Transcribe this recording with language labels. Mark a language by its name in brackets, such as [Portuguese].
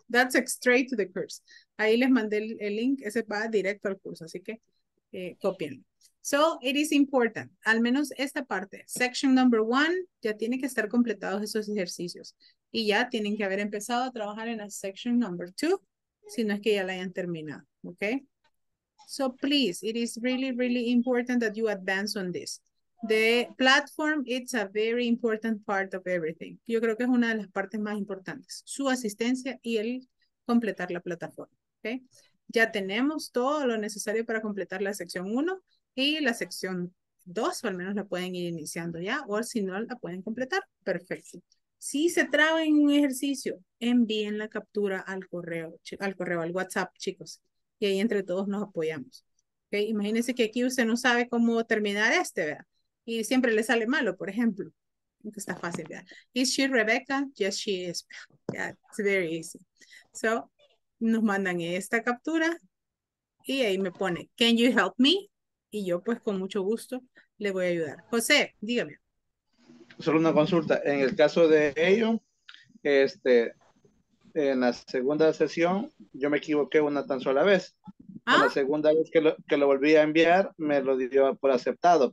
[English] That's straight to the course. [Spanish] Ahí les mandé el link. Ese va directo al curso. Así que copienlo. [English] So it is important. [Spanish] Al menos esta parte. [English] Section number one. [Spanish] Ya tiene que estar completados esos ejercicios. Y ya tienen que haber empezado a trabajar en la section number two. Si no es que ya la hayan terminado. [English] Okay. So please, it is really, really important that you advance on this. The platform, it's a very important part of everything. [Spanish] Yo creo que es una de las partes más importantes. Su asistencia y el completar la plataforma. Okay? Ya tenemos todo lo necesario para completar la sección 1 y la sección 2, o al menos la pueden ir iniciando ya, o si no la pueden completar, perfecto. Si se traba en un ejercicio, envíen la captura al correo, al WhatsApp, chicos. Y ahí entre todos nos apoyamos. ¿Okay? Imagínense que aquí usted no sabe cómo terminar este, ¿verdad? Y siempre le sale malo, por ejemplo. Está fácil, ¿verdad? [English] Is she Rebecca? Yes, she is. Yeah, it's very easy. So, [Spanish] nos mandan esta captura. Y ahí me pone, [English] can you help me? [Spanish] Y yo, pues, con mucho gusto le voy a ayudar. José, dígame. Solo una consulta. En el caso de ello, en la segunda sesión, yo me equivoqué una tan sola vez. ¿Ah? En la segunda vez que lo volví a enviar, me lo dio por aceptado.